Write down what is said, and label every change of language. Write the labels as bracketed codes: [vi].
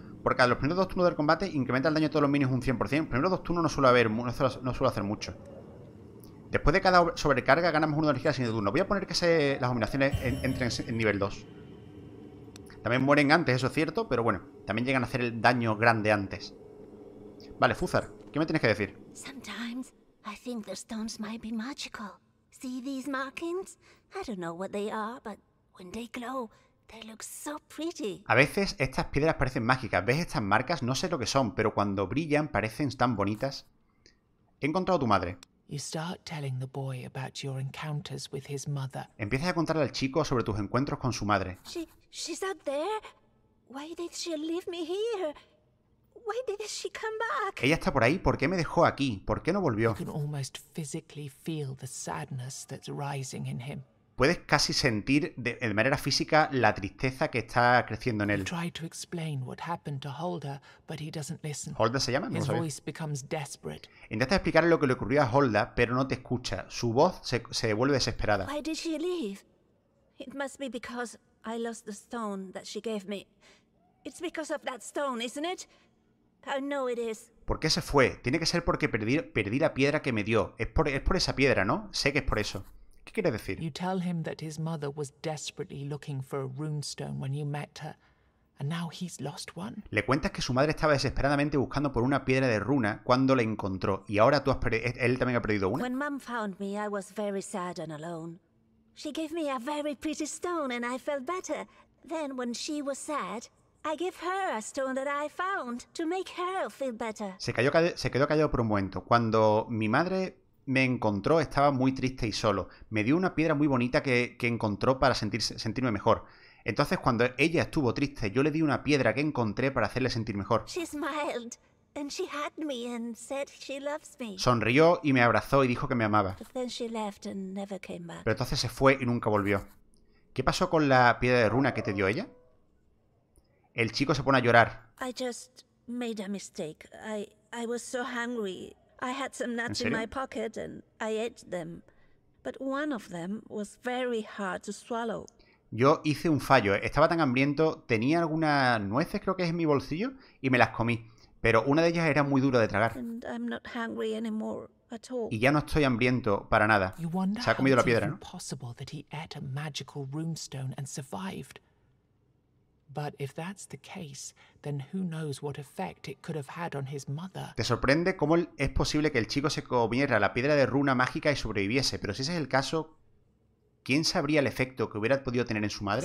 [es] Porque a los primeros dos turnos del combate incrementa el daño de todos los minions un 100%. Primeros dos turnos no suele hacer mucho. Después de cada sobrecarga ganamos una energía sin turno. Voy a poner que las abominaciones entren en nivel 2. También mueren antes, eso es cierto, pero bueno, también llegan a hacer el daño grande antes. Vale, Fuzar, ¿qué me tienes que decir? [en] Sometimes I think the stones might be magical. See these markings? I don't know what they are, but when they glow, they look so pretty. [es] A veces estas piedras parecen mágicas. ¿Ves estas marcas? No sé lo que son, pero cuando brillan parecen tan bonitas. He encontrado a tu madre. [en] You start telling the boy about your encounters with his mother. [es] Empiezas a contarle al chico sobre tus encuentros con su madre. [en] She's out there. Why did she leave me here? Why did she come back? [es] Ella está por ahí. ¿Por qué me dejó aquí? ¿Por qué no volvió? [en] You can almost physically feel the sadness that's rising in him. [es] Puedes casi sentir de manera física la tristeza que está creciendo en él. [en] Try to explain what happened to Holda, but he doesn't listen. [es] ¿Holda se llama? [en] His voice becomes desperate. [es] Intenta explicar lo que le ocurrió a Holda, pero no te escucha. Su voz se vuelve desesperada. [en] Why did she leave? It must be because I lost the stone that she gave me. It's because of that stone, isn't it? I know it is. [es] ¿Por qué se fue? Tiene que ser porque perdí la piedra que me dio. Es por esa piedra, ¿no? Sé que es por eso. ¿Qué quiere decir? [en] You tell him that his mother was desperately looking for a runestone when you met her, and now he's lost one. [es] Le cuentas que su madre estaba desesperadamente buscando por una piedra de runa cuando la encontró, y ahora tú él también ha perdido una. [en] When Mom found me, I was very sad and alone. She gave me a very pretty stone, and I felt better. Then, when she was sad, I gave her a stone that I found to make her feel better. [es] Se quedó callado por un momento. Cuando mi madre me encontró, estaba muy triste y solo. Me dio una piedra muy bonita que encontró para sentirme mejor. Entonces, cuando ella estuvo triste, yo le di una piedra que encontré para hacerle sentir mejor. [en] She smiled and she hugged me and said she loves me. [es] Sonrió y me abrazó y dijo que me amaba. [en] But then she left and never came back. [es] Pero entonces se fue y nunca volvió. ¿Qué pasó con la piedra de runa que te dio ella? El chico se pone a llorar. [en] I just made a mistake. I was so hungry. I had some nuts in my pocket and I ate them, but one of them was very hard to swallow. [es] Yo hice un fallo. Estaba tan hambriento, tenía algunas nueces, creo que es, en mi bolsillo, y me las comí. Pero una de ellas era muy dura de tragar. [en] And I'm not hungry anymore at all. [es] Y ya no estoy hambriento para nada. Se ha comido la piedra, ¿no? [en] Impossible that he ate a magical runestone and survived. But if that's the case, then who knows what effect it could have had on his mother. [es] ¿Te sorprende cómo es posible que el chico se comiera la piedra de runa mágica y sobreviviese? Pero si ese es el caso, ¿quién sabría el efecto que hubiera podido tener en su madre?